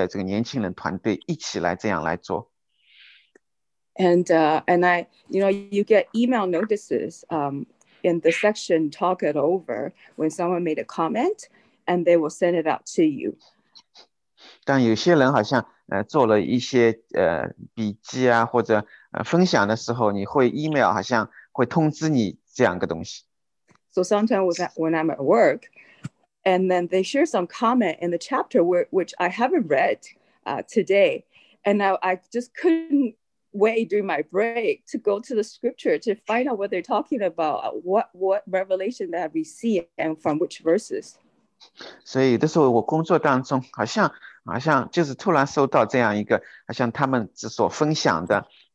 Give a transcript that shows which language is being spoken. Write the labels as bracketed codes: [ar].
[zh] 就是每一天用一个好像新的眼光，在神的话语里面来找那个宝藏，就是在这个集体，在这个年轻人团队一起来这样来做。 [en] And I, you know, you get email notices in the section talk it over when someone made a comment, and they will send it out to you. [zh] 但有些人好像做了一些笔记啊，或者分享的时候，你会 email 好像。 [en] So sometimes when I'm at work, and then they share some comment in the chapter which I haven't read today, and now I just couldn't wait during my break to go to the scripture to find out what they're talking about, what revelation that I received and from which verses. [zh] 所以有的时候我工作当中好像就是突然收到这样一个好像他们所分享的。